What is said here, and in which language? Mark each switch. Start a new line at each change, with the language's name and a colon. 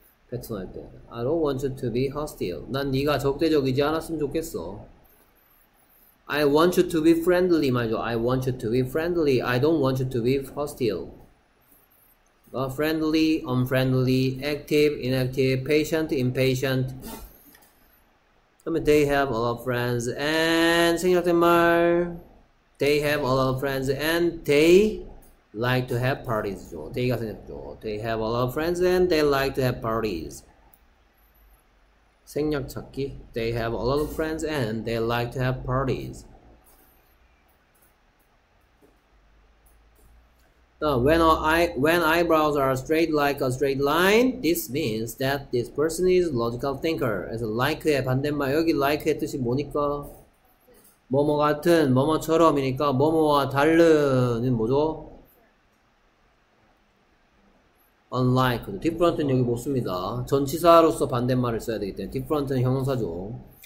Korean: 패턴할 때,
English: I don't want you to be hostile.
Korean: 난 네가 적대적이지 않았으면 좋겠어.
English: I want you to be friendly 말이죠. I want you to be friendly. I don't want you to be hostile. Friendly, unfriendly, active, inactive, patient, impatient. They have a lot of friends and
Korean: 생략된 말.
English: They have a lot of friends and they like to have parties죠.
Korean: They가 생략됐죠.
English: They have a lot of friends and they like to have parties.
Korean: 생략찾기.
English: They have a lot of friends and they like to have parties. When eyebrows are straight like a straight line, this means that this person is logical thinker.
Korean: 그래서 like의 반대말, 여기 like의 뜻이 뭐니까? 뭐뭐 같은, 뭐뭐처럼이니까, 뭐뭐와 다른, 뭐죠? unlike. different은 여기 못 씁니다. 전치사로서 반대말을 써야 되기 때문에, different은 형용사죠.